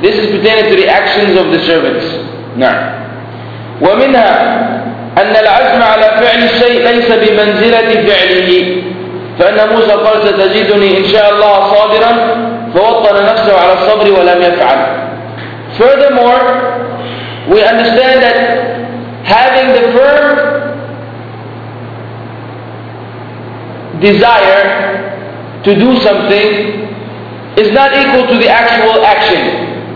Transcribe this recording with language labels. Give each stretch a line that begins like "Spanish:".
English: This is pertaining to the actions of the servants.
Arabic: نعم. ومنها أن العزم على فعل الشيء ليس بمنزلة فعله. فأن موسى قال ستجدني إن شاء الله صابرا فوطن نفسه على الصبر ولم يفعل.
English: Furthermore, we understand that having the firm desire to do something is not equal to the actual action.